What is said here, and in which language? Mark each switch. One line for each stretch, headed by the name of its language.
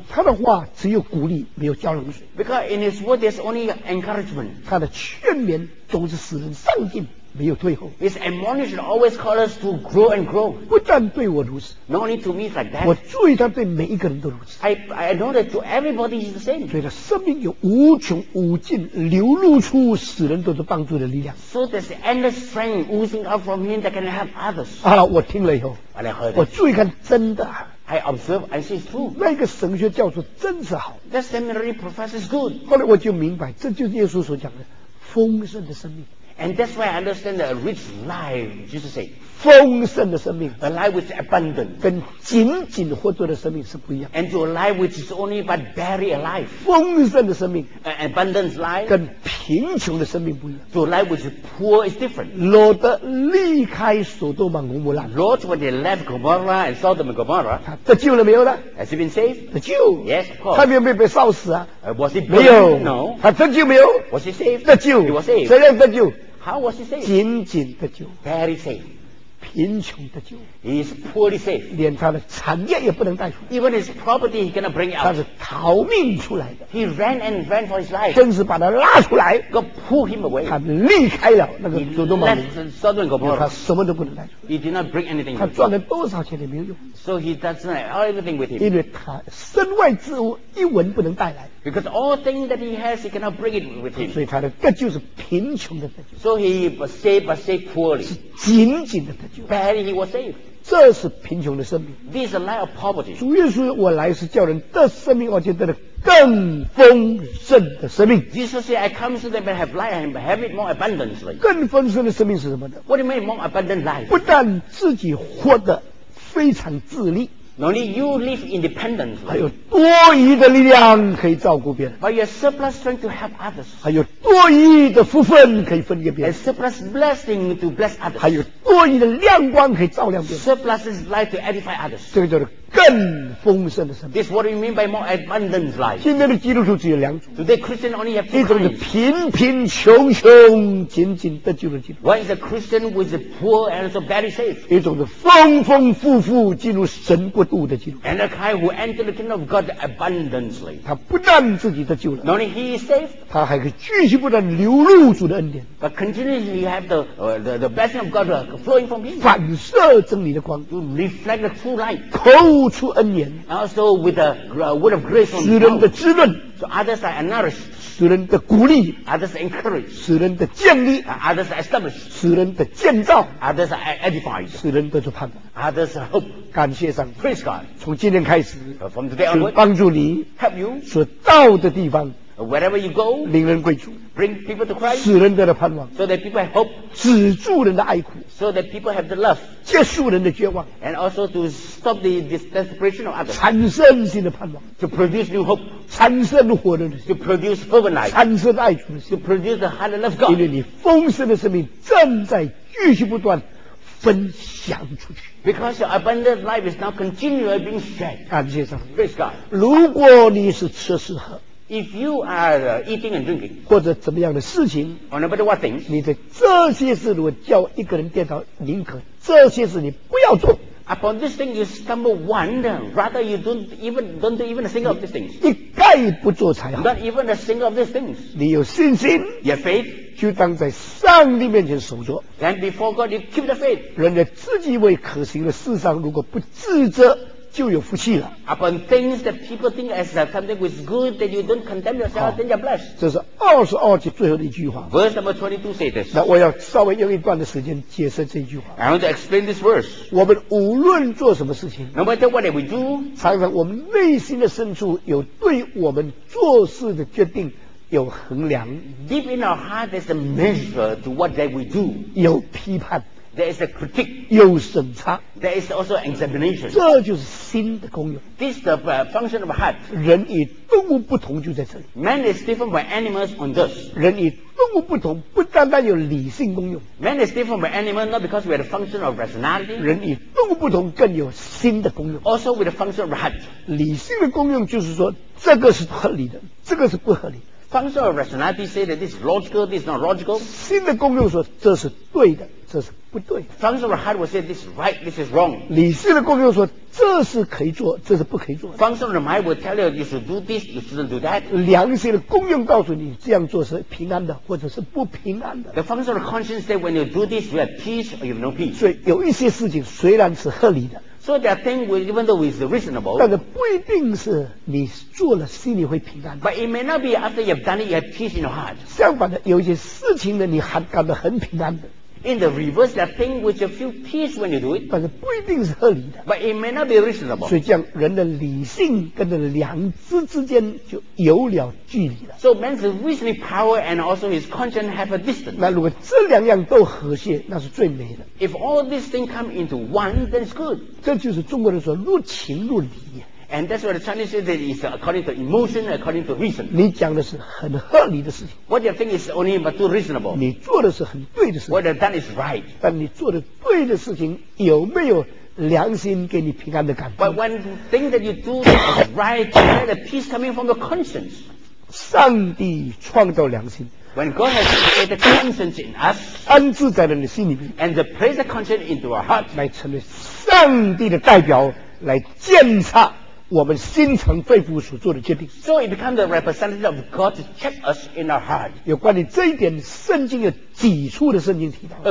Chinese: 他的话只有鼓励没有浇冷水
English: Because in his word there's only encouragement
Chinese: 他的劝勉总是使人上进没有退后
English: His admonition always calls us to grow and grow
Chinese: 不但对我如此
English: Not only to me it's like that
Chinese: 我注意他对每一个人都如此
English: I know that to everybody is the same
Chinese: 所以他生命有无穷无尽流露出使人都是帮助的力量
English: So there's endless strength oozing out from him that can help others
Chinese: 啊，我听了以后
English: I heard it
Chinese: 我注意看真的
English: I observe and see it's true
Chinese: 那个神学教授真是好
English: That seminary professor is good
Chinese: 后来我就明白这就是耶稣所讲的丰盛的生命
English: And that's why I understand a rich life, Jesus said.
Chinese: 丰盛的生命
English: A life with abundance.
Chinese: 跟仅仅活着的生命是不一样
English: And to a life which is only but barely alive.
Chinese: 丰盛的生命
English: An abundant life.
Chinese: 跟贫穷的生命不一样
English: To a life which is poor is different.
Chinese: Lord 离开索多玛和摩拉
English: Lord when they left Gomorrah and Sodom and Gomorrah.
Chinese: 他得救了没有呢
English: Has he been saved?
Chinese: 得救
English: Yes, of course.
Chinese: 他有没有被烧死啊
English: Was he burned?
Chinese: 没有
English: No.
Chinese: 他得救没有
English: Was he saved?
Chinese: 得救
English: He was saved.
Chinese: 谁让得救
English: How was he saved?
Chinese: 仅仅得救
English: Very safe
Chinese: 贫穷得救
English: He is poorly saved
Chinese: 连他的产业也不能带出来
English: Even his property he cannot bring out
Chinese: 他是逃命出来的
English: He ran and ran for his life
Chinese: 真是把他拉出来
English: God pulled him away
Chinese: 他离开了那个索多玛
English: He left Sodom Gomorrah
Chinese: 他什么都不能带出来
English: He did not bring anything
Chinese: 他赚了多少钱也没有用
English: So he doesn't have everything with him
Chinese: 因为他身外之物一文不能带来
English: Because all things that he has, he cannot bring it with him.
Chinese: 所以他的得救是贫穷的得救。
English: So he was saved, but saved poorly.
Chinese: 是仅仅的得救。
English: Barely he was saved.
Chinese: 这是贫穷的生命。
English: This is a life of poverty.
Chinese: 主耶稣，我来是叫人得生命，而且得了更丰盛的生命。
English: Jesus said, I come so that they may have life and have it more abundantly.
Chinese: 更丰盛的生命是什么呢
English: ？What do you mean more abundant life?
Chinese: 不但自己活得非常自立。
English: Not only you live independently
Chinese: 还有多余的力量可以照顾别人
English: But you have surplus strength to help others
Chinese: 还有多余的福分可以分给别人
English: And surplus blessing to bless others
Chinese: 还有多余的亮光可以照亮别人
English: Surplus is light to edify others
Chinese: 这个叫做更丰盛的生命
English: This is what you mean by more abundant life
Chinese: 今天的基督徒只有两种
English: Today Christian only have two kinds
Chinese: 一种是贫贫穷穷仅仅得救的基督徒
English: One is a Christian who is poor and so very safe
Chinese: 一种是丰丰富富进入神国
English: And a guy who entered the kingdom of God abundantly.
Chinese: 他不但自己得救了
English: Not only he is saved.
Chinese: 他还可以继续不断流露主的恩典
English: But continuously have the blessing of God flowing from him.
Chinese: 反射真理的光
English: To reflect the true light.
Chinese: 口出恩言
English: Also with the word of grace.
Chinese: 使人的滋润
English: So others are nourished.
Chinese: 使人的鼓励
English: Others are encouraged.
Chinese: 使人的建立
English: Others are established.
Chinese: 使人的建造
English: Others are edified.
Chinese: 使人得出盼望
English: Others are hope.
Chinese: 感谢上帝
English: Praise God.
Chinese: 从今天开始
English: from today onward,
Chinese: 帮助你
English: help you,
Chinese: 所到的地方
English: wherever you go,
Chinese: 领人归主
English: bring people to Christ,
Chinese: 使人得了盼望
English: so that people have hope,
Chinese: 止住人的哀苦
English: so that people have the love,
Chinese: 结束人的绝望
English: and also to stop the desperation of others,
Chinese: 产生新的盼望
English: to produce new hope,
Chinese: 产生活人的
English: to produce fervent life,
Chinese: 产生爱主的
English: to produce the heart of love God,
Chinese: 因为你丰盛的生命正在继续不断分享出去
English: Because your abundant life is now continually being shared
Chinese: 感谢上帝
English: Praise God
Chinese: 如果你是吃是喝
English: If you are eating and drinking
Chinese: 或者怎么样的事情
English: Or no matter what things
Chinese: 你的这些事如果叫一个人跌倒宁可这些事你不要做
English: Upon this thing you stumble one Rather you don't do even a single of these things
Chinese: 一概不做才好
English: Not even a single of these things
Chinese: 你有信心
English: Your faith
Chinese: 就当在上帝面前守着
English: And before God you keep the faith
Chinese: 人家自己为可行的事上如果不自责就有福气了
English: Upon things that people think as something which is good that you don't condemn yourself then you're blessed
Chinese: 这是二十二节最后的一句话
English: Verse number 22 say this
Chinese: 那我要稍微用一段的时间解释这句话
English: I want to explain this verse
Chinese: 我们无论做什么事情
English: No matter what we do
Chinese: 常常我们内心的深处有对我们做事的决定有衡量
English: Deep in our heart there's a measure to what that we do
Chinese: 有批判
English: There is a critique.
Chinese: 有审查。
English: There is also examination.
Chinese: 这就是心的功用。
English: This is the function of heart.
Chinese: 人与动物不同就在这里。
English: Man is different from animals on this.
Chinese: 人与动物不同不单单有理性功用。
English: Man is different from animals not because we have the function of rationality.
Chinese: 人与动物不同更有心的功用。
English: Also with the function of heart.
Chinese: 理性的功用就是说这个是合理的，这个是不合理的。
English: Function of rationality say that this is logical, this is not logical.
Chinese: 心的功用说这是对的，这是不对的。
English: Function of heart will say this is right, this is wrong.
Chinese: 理性的功用说这是可以做，这是不可以做的。
English: Function of mind will tell you you should do this, you shouldn't do that.
Chinese: 良心的功用告诉你这样做是平安的，或者是不平安的。
English: The function of conscience say when you do this, you have peace or you have no peace.
Chinese: 所以有一些事情虽然是合理的。
English: So there are things which, even though it's reasonable,
Chinese: 但是不一定是你做了心里会平安的。
English: But it may not be after you've done it, you have peace in your heart.
Chinese: 相反的，有些事情呢，你还感到很平安的。
English: In the reverse, there are things which you feel peace when you do it.
Chinese: 但是不一定是合理的。
English: But it may not be reasonable.
Chinese: 所以这样，人的理性跟的良知之间就有了距离了。
English: So man's reasoning power and also his conscience have a distance.
Chinese: 那如果这两样都和谐，那是最美的。
English: If all these things come into one, then it's good.
Chinese: 这就是中国人说入情入理。
English: And that's what the Chinese say that it's according to emotion, according to reason.
Chinese: 你讲的是很合理的事情。
English: What you think is only but too reasonable.
Chinese: 你做的是很对的事情。
English: What you've done is right.
Chinese: 但你做的对的事情有没有良心给你平安的感觉？
English: But when you think that you do is right, you have the peace coming from your conscience.
Chinese: 上帝创造良心。
English: When God has created conscience in us,
Chinese: 安置在了你心里面。
English: And the place of conscience into our heart,
Chinese: 来成为上帝的代表，来检查我们心肠肺腑所做的决定。
English: So it becomes the representative of God to check us in our heart.
Chinese: 有关于这一点，圣经有几处的圣经提到。